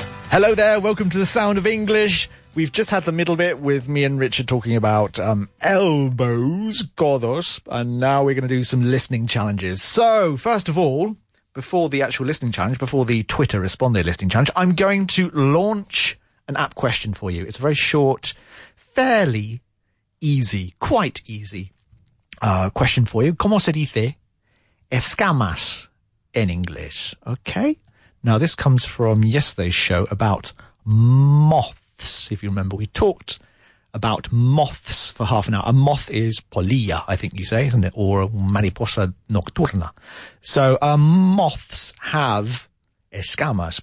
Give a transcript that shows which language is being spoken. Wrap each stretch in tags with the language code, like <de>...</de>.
<en>Hello there, welcome to The Sound of English. We've just had the middle bit with me and Richard talking about elbows, codos, and now we're going to do some listening challenges. So, first of all, before the actual listening challenge, before the Twitter Responde listening challenge, I'm going to launch an app question for you. It's a very short, fairly easy, quite easy question for you.</en> <es>¿Cómo se dice escamas en inglés?</es> <en>Okay. Now, this comes from yesterday's show about moths. If you remember, we talked about moths for half an hour. A moth is polilla, I think you say, isn't it? Or mariposa nocturna. So moths have escamas.</en>